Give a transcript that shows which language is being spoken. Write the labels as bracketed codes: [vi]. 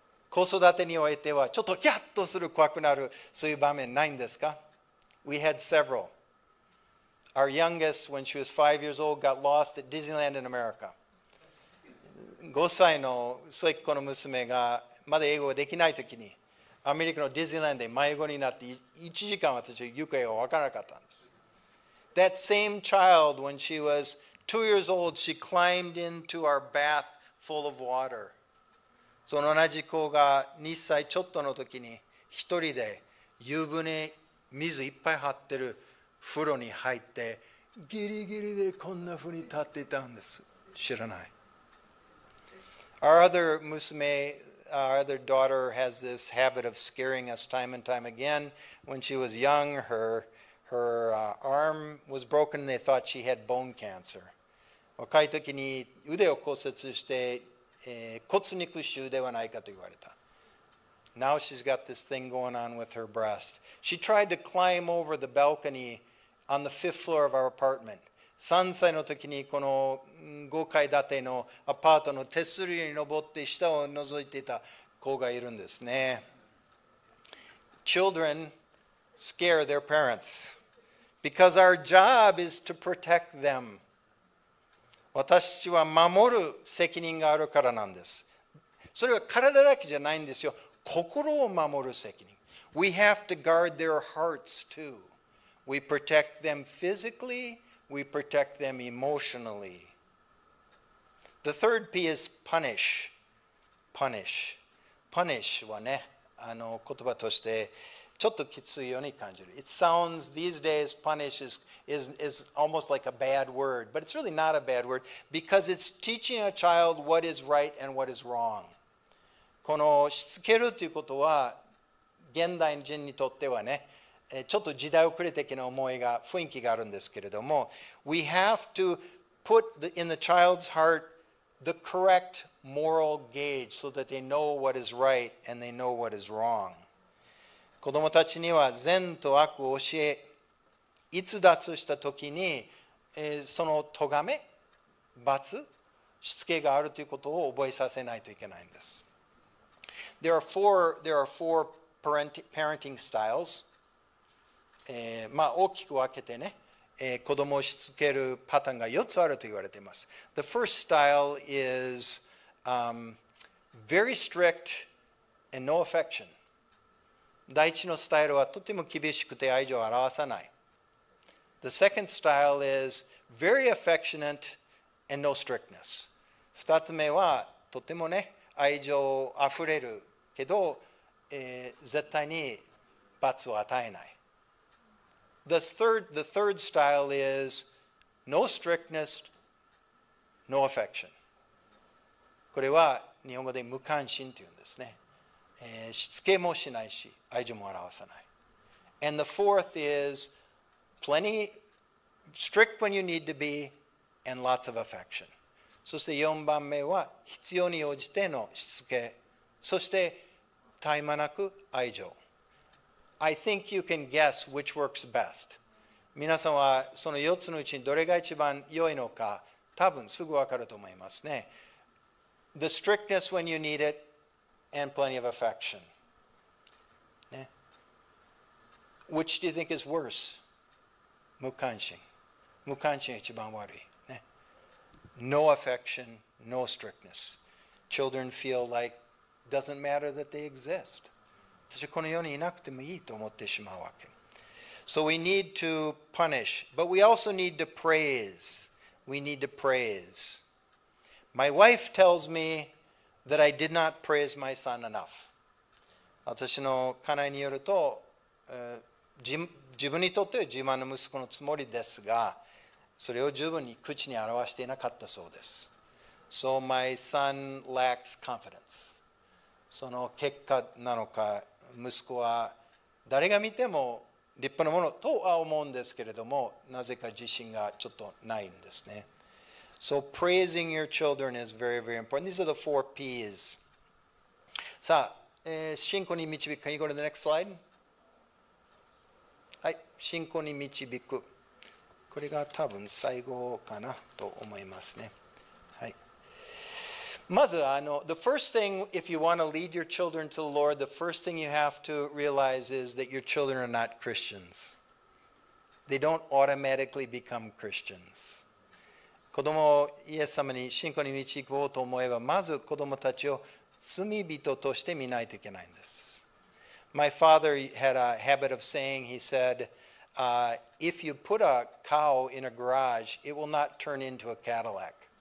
[ja] 子育てにおいてはちょっとヒヤッとする怖くなるそういう場面ないんですか? [en] We had several. Our youngest, when she was 5 years old, got lost at Disneyland in America. [ja] 5歳の末っ子の娘がまだ英語ができないときに、アメリカのディズニーランドで迷子になって、1時間私は行方が分からなかったんです。 [en] That same child, when she was 2 years old, she climbed into our bath full of water. [ja] その同じ子が2歳ちょっとのときに、一人で湯船、水いっぱい張ってる、風呂に入ってギリギリでこんな風に立っていたんです。知らない。 [en] Our other [ja] 娘, [en] our other daughter has this habit of scaring us time and time again. When she was young, her arm was broken. They thought she had bone cancer. [ja] 若い時に腕を骨折して、骨肉腫ではないかと言われた。 [en] Now she's got this thing going on with her breast. She tried to climb over the balcony on the fifth floor of our apartment. [ja] 3歳の時にこの5階建てのアパートの手すりに登って下を覗いていた子がいるんですね。 [en] Children scare their parents because our job is to protect them. [ja] 私は守る責任があるからなんです。それは体だけじゃないんですよ。心を守る責任。 [en] We have to guard their hearts too. We protect them physically. We protect them emotionally. The third P is punish. Punish. Punish [ja] はね、言葉としてちょっときついように感じる。 [en] It sounds these days punish is almost like a bad word, but it's really not a bad word because it's teaching a child what is right and what is wrong. [ja] このしつけるということは現代人にとってはね、ちょっと時代遅れ的な思いが雰囲気があるんですけれども、 [en] We have to put in the child's heart the correct moral gauge so that they know what is right and they know what is wrong. [ja] 子どもたちには善と悪を教え、逸脱した時に、その咎め、罰、しつけがあるということを覚えさせないといけないんです。 [en] There are four parenting styles. [ja] まあ大きく分けてね、子供をしつけるパターンが4つあると言われています。 [en] The first style is very strict and no affection. [ja] 第一のスタイルはとても厳しくて愛情を表さない。 [en] The second style is very affectionate and no strictness. [ja] 二つ目はとてもね、愛情あふれる。けど、絶対に罰を与えない。 [en] The third style is no strictness, no affection. [ja] これは日本語で無関心というんですね、しつけもしないし、愛情も表さない。 [en] And the fourth is plenty strict when you need to be and lots of affection. [ja] そして4番目は必要に応じてのしつけ。そして絶え間なく愛情。 [en] I think you can guess which works best. [ja] 皆さんはその4つのうちにどれが一番良いのか、多分すぐ分かると思いますね。 [en] The strictness when you need it and plenty of affection.、ね、which do you think is worse? [ja] 無関心。無関心が一番悪い、ね。 [en] No affection, no strictness. Children feel like,Doesn't matter that they exist. [ja] 私はこの世にいなくてもいいと思ってしまうわけ。 [en] So we need to punish, but we also need to praise. We need to praise. My wife tells me that I did not praise my son enough. [ja] 私の家内によると、自分にとっては自慢の息子のつもりですが、それを十分に口に表していなかったそうです。 [en] So my son lacks confidence. [ja] その結果なのか、息子は誰が見ても立派なものとは思うんですけれども、なぜか自信がちょっとないんですね。 [en] So praising your children is very, very important. These are the four P's. [ja] さあ、信仰に導く。 [en] Can you go to the next slide? [ja] はい、信仰に導く。これが多分最後かなと思いますね。 [en] まず、the first thing, if you want to lead your children to the Lord, the first thing you have to realize is that your children are not Christians. They don't automatically become Christians. [ja] 子供をイエス様に信仰に導こうと思えば、まず子供たちを罪人として見ないといけないんです。 [en] My father had a habit of saying, he said, if you put a cow in a garage, it will not turn into a Cadillac.